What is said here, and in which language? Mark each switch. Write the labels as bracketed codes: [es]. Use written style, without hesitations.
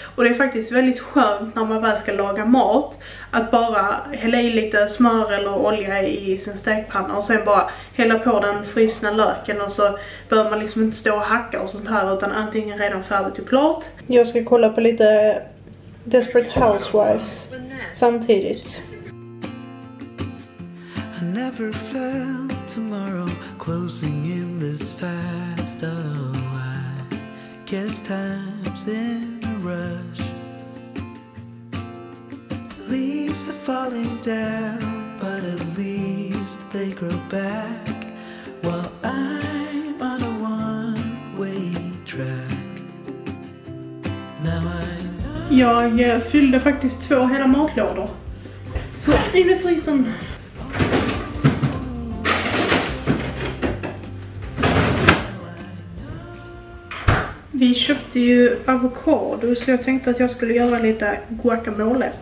[sv] Och det är faktiskt väldigt skönt när man väl ska laga mat. Att bara hälla i lite smör eller olja i sin stekpanna. Och sen bara hälla på den frysna löken. Och så behöver man liksom inte stå och hacka och sånt här. Utan allting är redan färdigt och klart. Jag ska kolla på lite Desperate Housewives samtidigt. [en] I never felt tomorrow closing in this fast. Oh, I guess time's in a rush. Leaves are falling down, but at least they grow back. While I'm on a one-way track. Now I know. [sv] Jag fyllde faktiskt 2 hela matlådor. Så in i frysen. Vi köpte ju avokado så jag tänkte att jag skulle göra lite guacamole.